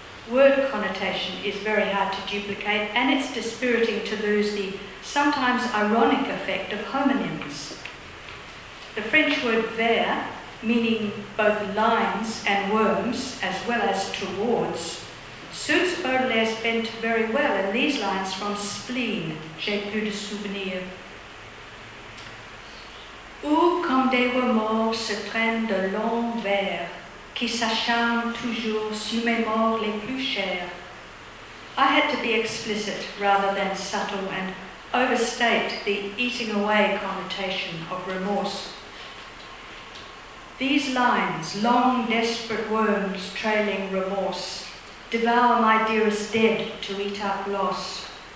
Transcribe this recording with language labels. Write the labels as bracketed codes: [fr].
[en] Word connotation is very hard to duplicate, and it's dispiriting to lose the sometimes ironic effect of homonyms. The French word vers, meaning both lines and worms, as well as towards, suits Baudelaire's bent very well in these lines from Spleen, J'ai plus de souvenirs. [fr] Où comme des remords se traînent de longs vers, qui s'acharnent toujours sur mes morts les plus chers. [en] I had to be explicit rather than subtle and overstate the eating away connotation of remorse. These lines, long desperate worms trailing remorse, devour my dearest dead to eat up loss.